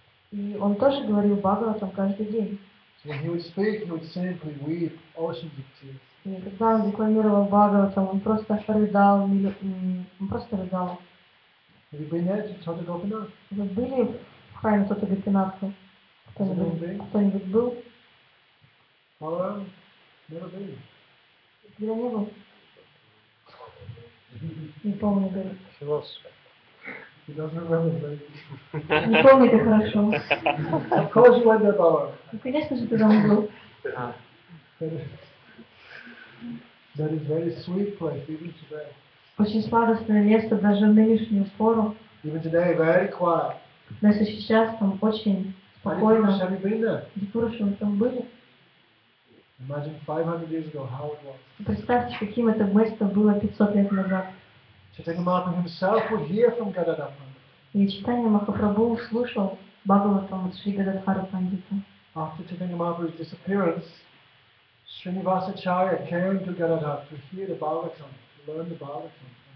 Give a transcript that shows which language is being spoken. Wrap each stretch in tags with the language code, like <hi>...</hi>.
<ru>И он тоже говорил Бхагаватам каждый день.</ru> <en>When he would speak, he would simply weep oceans of tears.</en> <ru>И когда он декламировал Бхагаватам, он просто рыдал, он просто рыдал.</ru> <en>Have you been there to Чхотагопинатху?</en> <ru>Вы были в храме Чхотагопинатху? Кто-нибудь был?</ru> <en>Hello? Never been.</en> <ru>Я не был. Не помню, говорит. Философ.</ru> <en>He doesn't remember.</en> <ru>Не помню, это хорошо.</ru> <en>Of course you went there, Baba.</en> <ru>Ну, конечно же, ты там был.</ru> <en>That is very sweet place, even today.</en> <ru>Очень сладостное место даже в нынешнюю пору.</ru> <en>Even today, very quiet.</en> <ru>Но если сейчас там очень спокойно.</ru> <en>Have you been there?</en> <ru>Дипурушу, мы там были.</ru> <en>Imagine 500 years ago how it was.</en> <ru>Представьте, каким это место было 500 лет назад.</ru> <en>Chaitanya Mahaprabhu himself would hear from Gadadhara</en> <ru>Pandita. И Chaitanya Mahaprabhu услышал Бхагаватам от Шри Гададхара Пандита.</ru> <en>After Chaitanya Mahaprabhu's disappearance, Srinivasacharya came to Gadadhara to hear the Bhagavatam, to learn the Bhagavatam.</en>